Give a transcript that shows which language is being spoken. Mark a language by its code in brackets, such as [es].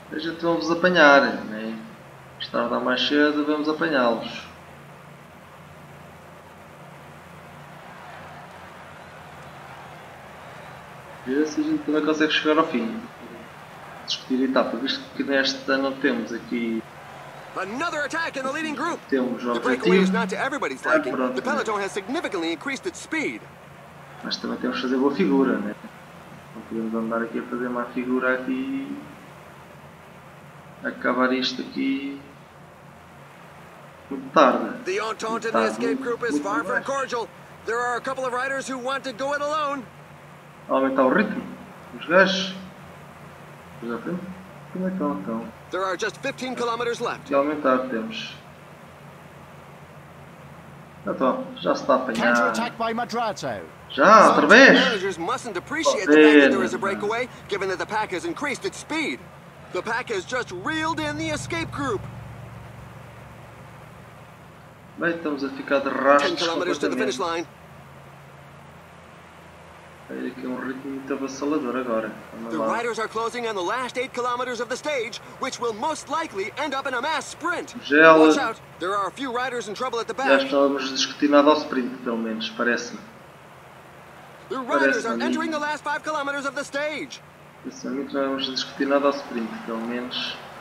[pt] A gente vamos apanhar, né? Estarão mais cedo, vamos apanhá-los. Ver se a gente também consegue chegar ao fim. Discutir a etapa, visto que nesta não temos aqui. [en] Another attack in the leading group! [pt] Temos o objetivo. [en] The peloton has significantly increased its speed. [pt] Mas também temos que fazer boa figura, né? Não podemos andar aqui a fazer má figura aqui. Acabar isto aqui. Muito tarde. [en] The Entente and the escape group is far from cordial. There are a couple of riders who want to go it alone. [pt] Aumentar o ritmo. Os gajos. Como é que estão então? [en] There are just 15 km left. [pt] E aumentar temos. Então, já se está a apanhar. [en] Counter-attack by Madrazo. [pt] Já, outra vez? [en] Managers mustn't appreciate the fact that there is a breakaway, given that the pack has increased its speed. The pack has just reeled in the escape group. [pt] Bem, estamos a ficar de rastros. [en] 10 km to the finish line. [pt] Aí aqui um ritmo muito avassalador agora. [en] The riders are closing on the last 8 km of the stage, which will most likely end up in a mass sprint. Gela. Watch out, there are a few riders in trouble at the back. [pt] Já estávamos discutindo nada ao sprint, pelo menos, parece-me. [en] The riders are entering the last 5 km of the stage. [pt] Isso não vamos discutir nada ao sprint, pelo menos.